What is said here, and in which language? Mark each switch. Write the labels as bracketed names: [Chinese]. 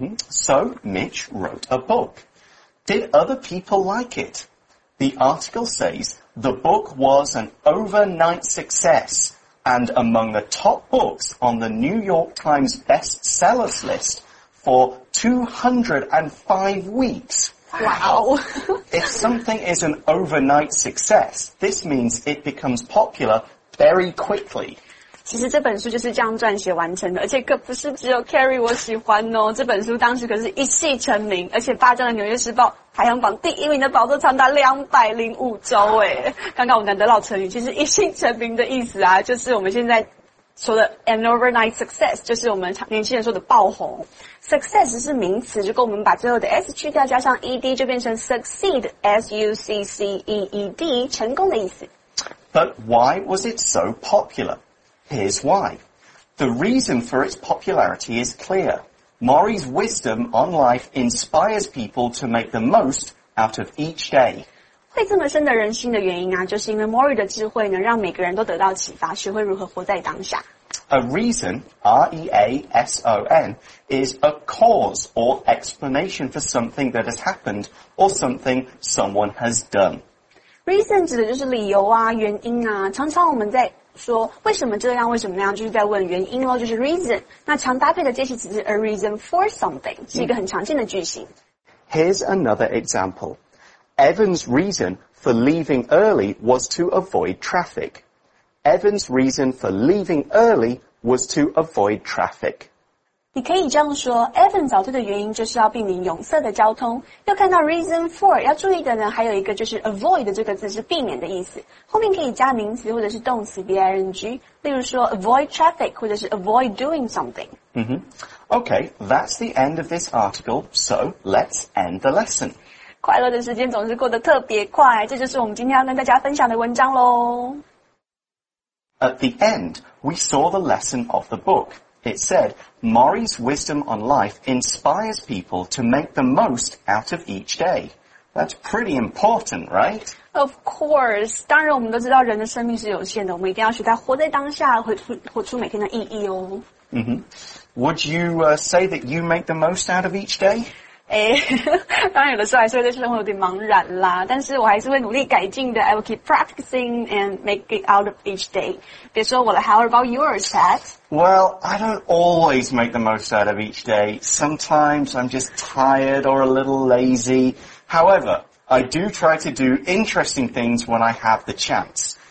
[English] So, Mitch wrote a book. Did other people like it? The article says, the book was an overnight success, and among the top books on the New York Times bestsellers list,For 205 weeks. Wow. If something is an overnight success, this means it becomes popular very quickly. [Chinese] 其实这本书就是这样撰写完成的，而且可不是只有 Carrie 我喜欢哦。这本书当时可是一系成名，而且霸占了《纽约时报》排行榜第一名的宝座长达205周诶。刚刚我们难得老成语，其实一系成名的意思啊，就是我们现在说的 [English] an overnight success [Chinese] 就是我们年轻人说的爆红 success 是名词如果我们把最后的 s 去掉加上 ed 就变成 succeed succeed 成功的意思 [English] But why was it so popular? Here's why The reason for its popularity is clear Maury's wisdom on life inspires people to make the most out of each day [Chinese] 会这么深得人心的原因啊就是因为 Maury 的智慧呢让每个人都得到启发学会如何活在当下。 [English] A reason, R-E-A-S-O-N, is a cause or explanation for something that has happened or something someone has done. [Chinese] Reason 指的就是理由啊原因啊常常我们在说为什么这样为什么那样就是在问原因咯就是 reason。那常搭配的介系词是 [English] a reason for something, [Chinese] 是一个很常见的句型。 [English] Here's another example. Evan's reason for leaving early was to avoid traffic. Evan's reason for leaving early was to avoid traffic. [Chinese] 你可以这样说 ,Evan 早退的原因就是要避免拥塞的交通。要看到 reason for, 要注意的呢还有一个就是 avoid 这个字是避免的意思。后面可以加名词或者是动词 ,ving, 例如说 [English] avoid traffic [Chinese] 或者是 [English] avoid doing something. Okay, that's the end of this article, so let's end the lesson. [Chinese] 快乐的时间总是过得特别快，这就是我们今天要跟大家分享的文章咯。 [English] At the end, we saw the lesson of the book. It said, Maury's wisdom on life inspires people to make the most out of each day. That's pretty important, right? Of course. [Chinese] 当然我们都知道人的生命是有限的，我们一定要学会活在当下，活出每天的意义哦。 [English] Would you say that you make the most out of each day? [Chinese] 哎，当然有的时候还是会对生活有点茫然啦，但是我还是会努力改进的。 [English] I will keep practicing and make it out of each day. [Chinese] 比如说我的 [English] How about yours, Pat? Well, I don't always make the most out of each day. Sometimes I'm just tired or a little lazy. However, I do try to do interesting things when I have the chance.